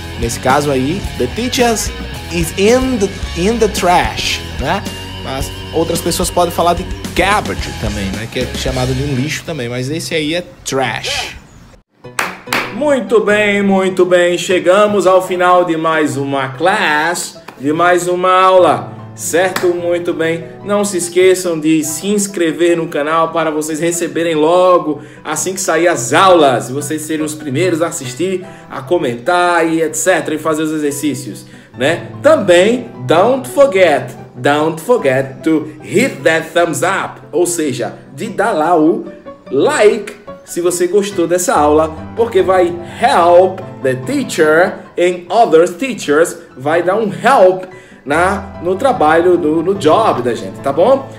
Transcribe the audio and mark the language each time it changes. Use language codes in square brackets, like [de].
[pt] Nesse caso aí, [en] the teacher is in the trash, né? [pt] Mas outras pessoas podem falar de garbage também, né? Que é chamado de um lixo também. Mas esse aí é trash. Muito bem, muito bem. Chegamos ao final de mais uma class. De mais uma aula. Certo? Muito bem. Não se esqueçam de se inscrever no canal para vocês receberem logo, assim que sair as aulas, e vocês serem os primeiros a assistir, a comentar e etc. E fazer os exercícios, né? Também, [en] don't forget to hit that thumbs up. [pt] Ou seja, de dar lá o like se você gostou dessa aula, porque vai [en] help the teacher and other teachers, [pt] vai dar um help no trabalho, no job da gente, tá bom?